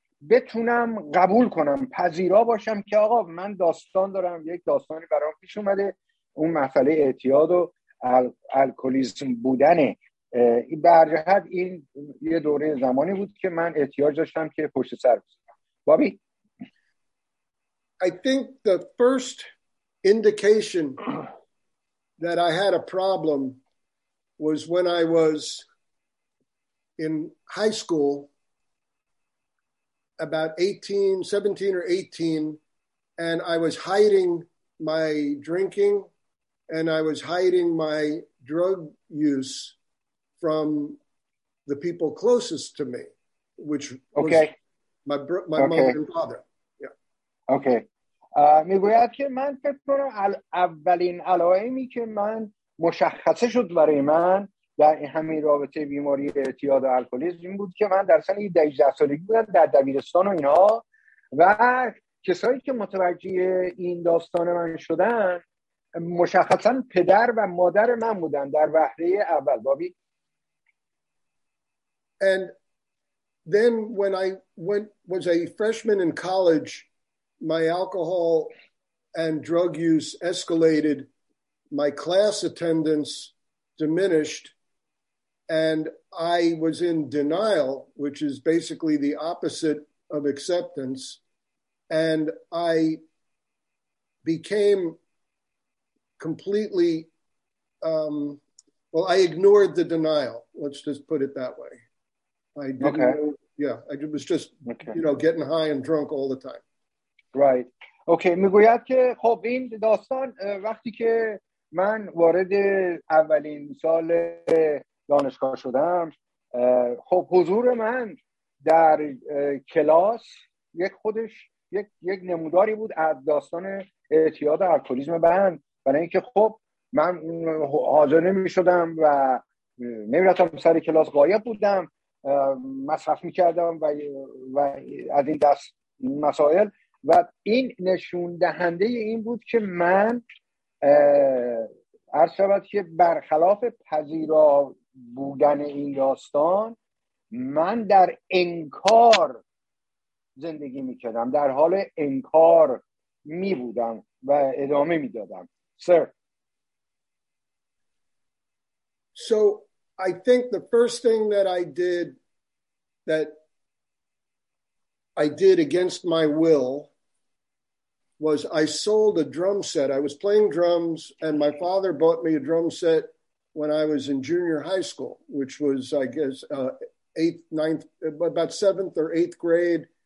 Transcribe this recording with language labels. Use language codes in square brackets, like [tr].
[fa] بتونم قبول کنم پذیرا باشم که آقا من داستان دارم یک داستانی برام پیش اومده اون مسئله اعتیاد و الکلیسم بودنه برجهت این یه دوره زمانی بود که من احتیاج داشتم که پشت سر بزنم Bobby? [en] I think the first indication that I had a problem was when I was in high school, about 18, 17 or 18, and I was hiding my drinking and I was hiding my drug use from the people closest to me, which okay. was... My okay. mother and father. Yeah. Okay. [fa] میگوید که من فکر کنم اولین علائمی که من مشخصه شد برای من در همین رابطه بیماری اعتیاد و الکلیسم این بود که من در سن 18 سالگی بودم در دبیرستان و اینا و کسایی که متوجه این داستان من شدن مشخصا پدر و مادر من بودن در وهله اول بابی [en] And Then when I went was a freshman in college, my alcohol and drug use escalated, my class attendance diminished, and I was in denial, which is basically the opposite of acceptance, and I became completely, I ignored the denial. Let's just put it that way. I didn't okay. know. Yeah, it was just, okay. you know, getting high and drunk all the time. Right. [fa] Okay, میگوید که خب این داستان وقتی که من وارد اولین سال دانشگاه شدم خب حضور من در کلاس یک خودش یک نموداری بود از داستان اعتیاد الکلیسم من برای اینکه خب من حاضر نمی شدم و نمی رفتم سر کلاس غایب بودم مصرف میکردم و از این دست مسائل و این نشون دهنده این بود که من عرض شد که برخلاف پذیرا بودن این داستان من در انکار زندگی میکردم در حال انکار میبودم و ادامه میدادم سر [en] So I think the first thing that I did that I did against my will was I sold a drum set. I was playing drums and my father bought me a drum set when I was in junior high school, which was, I guess, about seventh or eighth grade.